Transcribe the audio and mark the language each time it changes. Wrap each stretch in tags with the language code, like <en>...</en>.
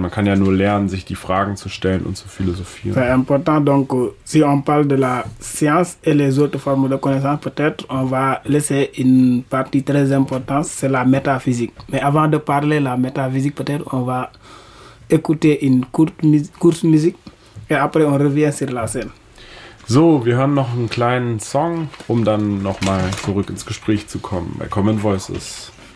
<de>Man kann ja nur lernen, sich die Fragen zu stellen und zu philosophieren.</de> <fr>C'est important, donc, si on parle de la science et les autres formes de connaissance, peut-être on va laisser une partie très importante, c'est la métaphysique. Mais avant de parler la métaphysique, peut-être on va écouter une courte musique et après on revient sur la scène.</fr> <de>So, wir hören noch einen kleinen Song, um dann nochmal zurück ins Gespräch zu kommen bei Common Voices.</de>